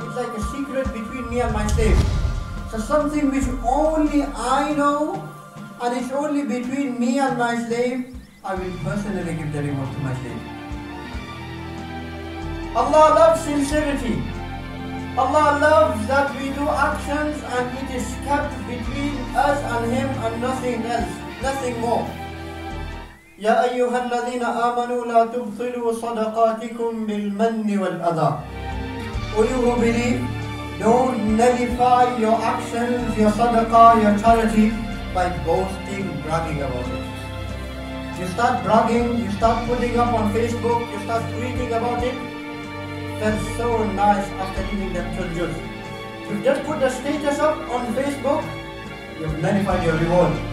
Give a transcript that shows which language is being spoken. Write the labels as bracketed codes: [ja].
[en] It's like a secret between me and myself. So something which only I know, and it's only between me and my slave, I will personally give the reward to my slave. Allah loves sincerity. Allah loves that we do actions and it is kept between us and Him and nothing else, nothing more. [ar] يا أيها الذين آمنوا لا تبطلوا صدقاتكم بالمن والأذى. [en] Will you believe? Don't nullify your actions, your sadaqah, your charity by boasting, bragging about it. You start bragging, you start putting up on Facebook, you start tweeting about it. That's so nice after eating that tajus. You just put the status up on Facebook, you've nullified your reward.